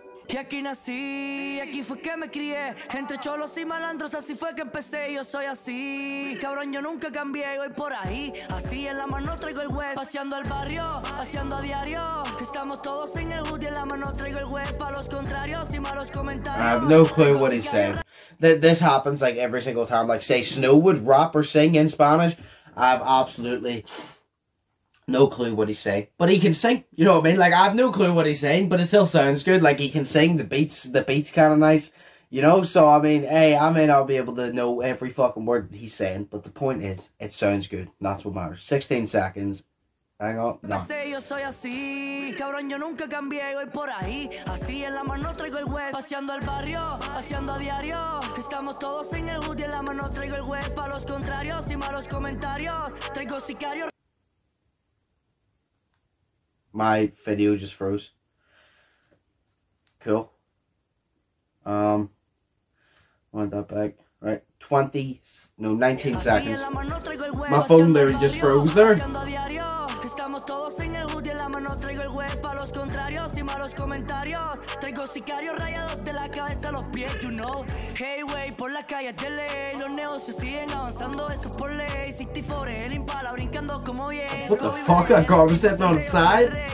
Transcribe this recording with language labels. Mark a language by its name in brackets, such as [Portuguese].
[Spanish] Y aquí nací, aquí fue que me crié. Entre cholos y malandros, así fue que empecé. Yo soy así, cabrón, yo nunca cambié. Hoy por ahí, así en la mano traigo el West. Paseando al barrio, paseando a diario. Estamos todos en el hood y en la mano traigo el West. Para los contrarios y malos comentarios. [English] I have no clue what he's saying. This happens like every single time. Like, say Snow would rap or sing in Spanish. I have absolutely no clue what he's saying, but he can sing, you know what I mean? Like, I have no clue what he's saying, but it still sounds good. Like, he can sing, the beat's kind of nice, you know? So, I mean, hey, I may not be able to know every fucking word that he's saying, but the point is, it sounds good. That's what matters. 16 seconds. Hang on. No. [Spanish] Yo soy así, cabrón, yo nunca cambié. Hoy por ahí, así en la mano traigo el West. Paseando al barrio, paseando a diario. Estamos todos en el hood y en la mano traigo el West. Para los contrarios y malos comentarios, traigo sicario. [English] My video just froze. Cool. Want that back. Right. 19 seconds. My phone there just froze there. [Spanish] Estamos todos en el hood y en la mano traigo el West. Para los contrarios y malos comentarios, traigo sicarios rayados de la cabeza a los pies, [English] you know. [Spanish] Hey, wey, por las calles de ley, los negocios siguen avanzando, eso por ley. 64, el Impala, brincando como bien. [English] What the fuck, that car was sitting on the side?